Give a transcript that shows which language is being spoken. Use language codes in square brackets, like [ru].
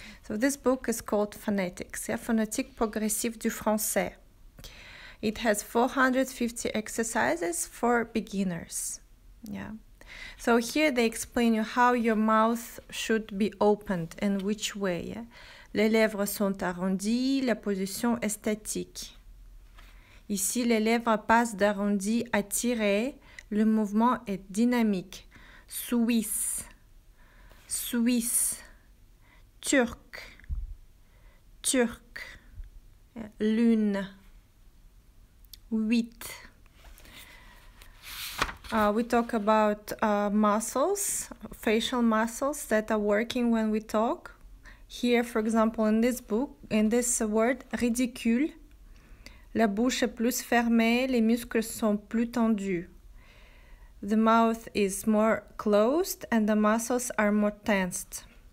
[en] So this book is called Phonetics, yeah? Phonétique progressive du français. It has 450 exercises for beginners. Yeah. So here they explain you how your mouth should be opened and which way. Yeah? [fr] Les lèvres sont arrondies, la position est statique. Ici, les lèvres passent d'arrondi à tiré. Le mouvement est dynamique. Suisse. Suisse. Turc. Turc. Lune. Huit. [en] We talk about muscles, facial muscles that are working when we talk. Here, for example, in this book, in this word, ridicule. [fr] La bouche est plus fermée, les muscles sont plus tendus. [en] The mouth is more closed and the muscles are more tensed.